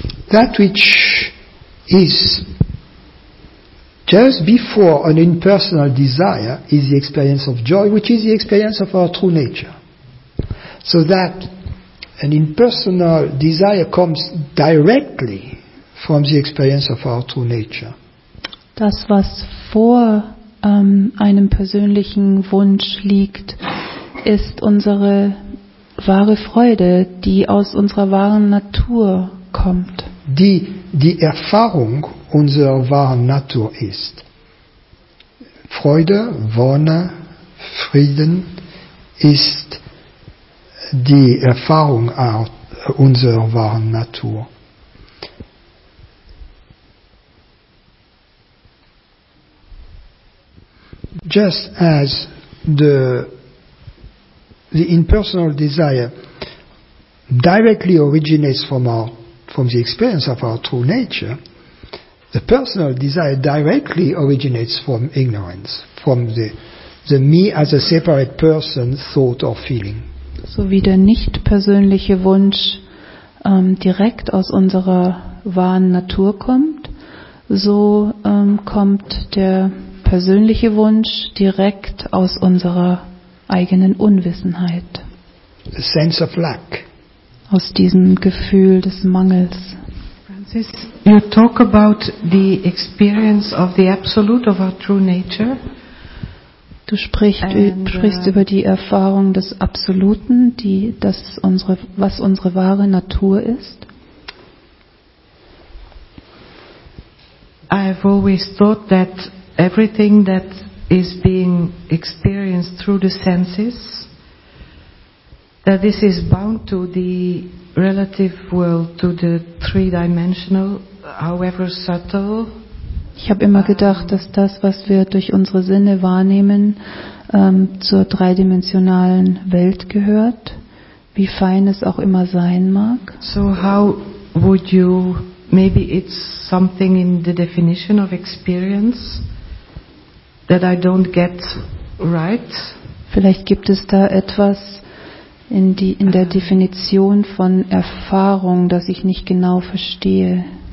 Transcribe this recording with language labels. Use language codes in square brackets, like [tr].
[en] That which is just before an impersonal desire is the experience of joy, which is the experience of our true nature. So that an impersonal desire comes directly from the experience of our true nature. [de] Das, was vor einem persönlichen Wunsch liegt, ist unsere wahre Freude, die aus unserer wahren Natur kommt. Die Erfahrung unserer wahren Natur ist Freude, Wonne, Frieden ist die Erfahrung unserer wahren Natur. [en] Just as the impersonal desire directly originates from the experience of our true nature, the personal desire directly originates from ignorance, from the me as a separate person, thought or feeling. [de] So wie der nicht persönliche Wunsch direkt aus unserer wahren Natur kommt, so kommt der persönliche Wunsch direkt aus unserer eigenen Unwissenheit. [en] The sense of lack. [de] Aus diesem Gefühl des Mangels. [en] Francis, you talk about the experience of the absolute of our true nature. [de] Du sprichst über die Erfahrung des Absoluten, was unsere wahre Natur ist. [en] I've always thought that everything that is being experienced through the senses, that this is bound to the relative world, to the three-dimensional, however subtle. [de] Ich habe immer gedacht, dass das, was wir durch unsere Sinne wahrnehmen, zur dreidimensionalen Welt gehört, wie fein es auch immer sein mag. [en] So how would you, maybe it's something in the definition of experience that I don't get right. [de] Vielleicht gibt es da etwas in der Definition von Erfahrung, das ich nicht genau verstehe.